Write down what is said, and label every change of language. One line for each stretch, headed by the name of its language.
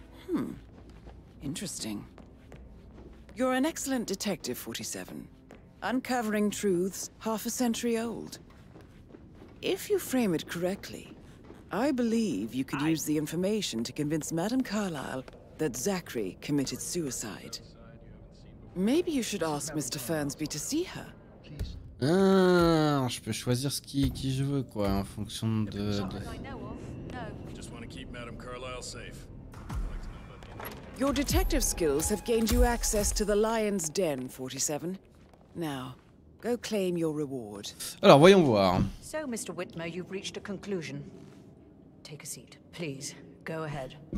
English: Hmm. Interesting. You're an excellent detective, 47. Uncovering truths half a century old. If you frame it correctly, I believe you could use the information to convince Madame Carlyle that Xari committed suicide. Maybe you should ask Mr. Fernsby to see her.
French: Ah, je peux choisir ce qui je veux quoi en fonction de.
English: Just want to keep Madame Carlyle safe. Your detective skills have gained you access to the lion's den, 47. Now, go claim your reward.
French: Alors, voyons voir.
English: So, Mr. Whitmer, you've reached a conclusion. Take a seat, please. Go ahead.